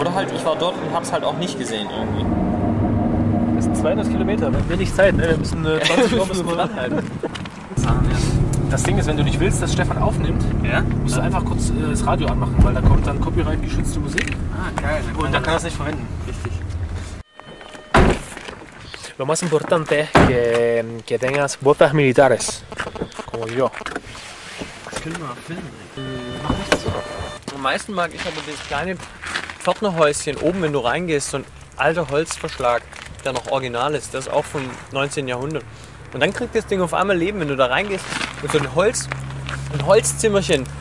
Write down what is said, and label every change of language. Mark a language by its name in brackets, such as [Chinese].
[German] Oder halt, ich war dort und hab's halt auch nicht gesehen irgendwie. 200 Kilometer, wir haben wenig Zeit, ne? Wir müssen 20 Stunden dranhalten. Das Ding ist, wenn du nicht willst, dass Stefan aufnimmt, ja? Musst du einfach kurz das Radio anmachen, weil da kommt dann copyright-geschützte Musik. Ah, geil. Und dann kann er es nicht verwenden. Richtig. [Spanish] Lo más importante es que tengas botas militares. Como yo. [German] Das können wir filmen. Mach nicht so. Am meisten mag ich aber das kleine Pförtnerhäuschen oben, wenn du reingehst, so ein alter Holzverschlag. Der noch original ist, das ist auch vom 19. Jahrhundert. Und dann kriegt das Ding auf einmal Leben, wenn du da reingehst mit so ein Holzzimmerchen.